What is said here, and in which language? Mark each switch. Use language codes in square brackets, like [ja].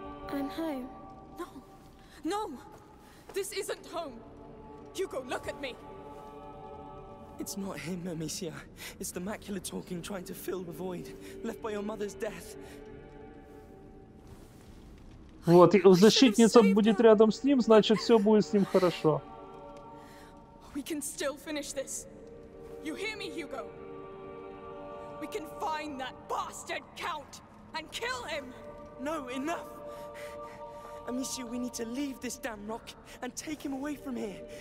[en] I'm home. No. No! This isn't home! Hugo, look at me! It's not him, Amicia. It's the macula talking, trying to fill the void, left by your mother's death. [ru] Вот, защитница будет рядом с ним, значит, все будет с ним хорошо. [en] We can still finish this. You hear me, Hugo? We can find that bastard count and kill him! No, enough! Amicia, we need to leave this damn rock and take him away from here.